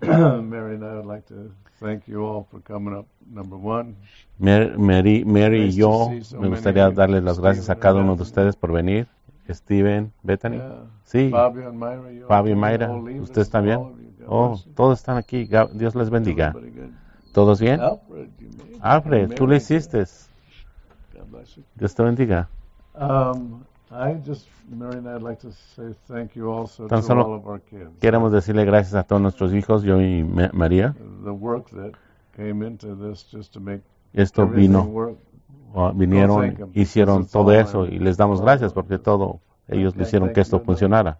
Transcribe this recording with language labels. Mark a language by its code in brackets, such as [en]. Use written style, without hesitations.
[en] Mary and I would like to thank you all for coming up. Number one, [es] Mary y yo me gustaría darles las gracias a cada uno de ustedes por venir. [en] Steven, Bethany, yeah. [es] Sí, [en] Fabio and Myra, [es] ustedes también. Oh, todos están aquí. Dios les bendiga. ¿Todos bien? [en] Alfred, [es] tú le hiciste. Dios te bendiga. [en] Mary and I'd like to say thank you also to all of our kids. [es] Queremos decirle gracias a todos nuestros hijos, yo y María. [en] The work that came into this just to make [es] esto vino. Vinieron, hicieron todo eso y les damos gracias porque todo ellos le hicieron que esto funcionara.